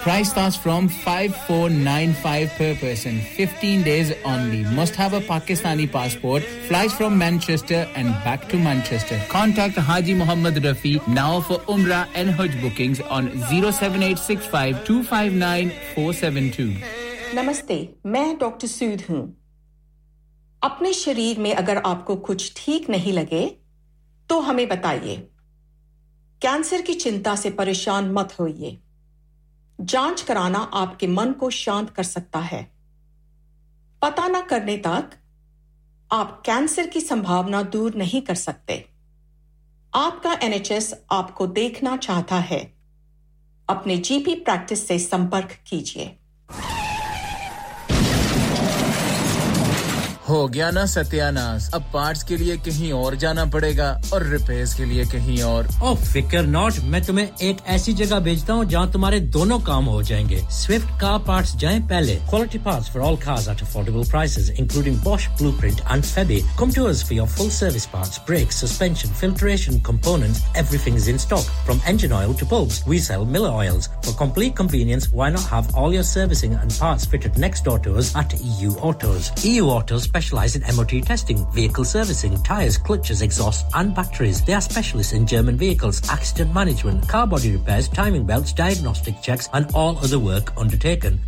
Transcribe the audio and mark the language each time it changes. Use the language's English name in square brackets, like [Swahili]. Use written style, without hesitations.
[English] Price starts from 5495 per person, 15 days only. Must have a Pakistani passport. Flies from Manchester and back to Manchester. Contact Haji Muhammad Rafi now for Umrah and Hajj bookings on 07865259472. [Hindi] Namaste, मैं Dr. Sood हूँ. अपने शरीर में अगर आपको कुछ ठीक नहीं लगे, तो हमें बताइए. कैंसर की चिंता से परेशान मत होइए। जांच कराना आपके मन को शांत कर सकता है। पता न करने तक आप कैंसर की संभावना दूर नहीं कर सकते। आपका NHS आपको देखना चाहता है। अपने GP प्रैक्टिस से संपर्क कीजिए। हो गया ना सत्यानाश, अब पार्ट्स के लिए कहीं और जाना पड़ेगा और रिपेयर्स के लिए कहीं और. ओ फिकर नॉट, मैं तुम्हें एक ऐसी जगह भेजता हूँ जहाँ तुम्हारे दोनों काम हो जाएंगे. स्विफ्ट कार पार्ट्स जाएं पहले. [English] Quality parts for all cars at affordable prices including Bosch Blueprint and Febi. Come to us for your full service parts, brakes, suspension, filtration components, everything is in stock from engine oil to bulbs. We sell Miller oils. For complete convenience, why not have all your servicing and parts fitted next door to us at EU Autos. EU Autos specialize in MOT testing, vehicle servicing, tyres, clutches, exhausts and batteries. They are specialists in German vehicles, accident management, car body repairs, timing belts, diagnostic checks and all other work undertaken.